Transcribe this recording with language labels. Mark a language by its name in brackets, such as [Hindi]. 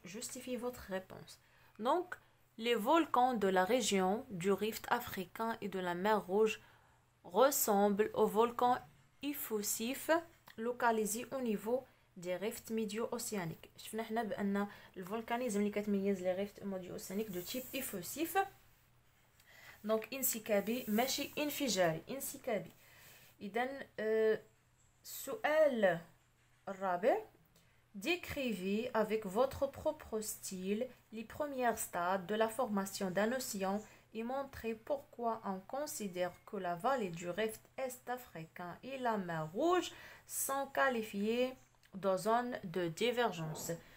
[French] Justifiez votre réponse. Donc, les volcans de la région du Rift africain et de la mer Rouge ressemblent aux volcans effusifs localisés au niveau des rifts médio-océaniques. Le volcanisme qui caractérise les rifts médio-océaniques de type effusif. [Arabic] Donc, انسكابي ماشي انفجاري، انسكابي. إذن، سؤال الرابع، [French] décrivez avec votre propre style les premiers stades de la formation d'un océan et montrez pourquoi on considère que la vallée du Rift est-africain et la mer Rouge sont qualifiées de zones de divergence.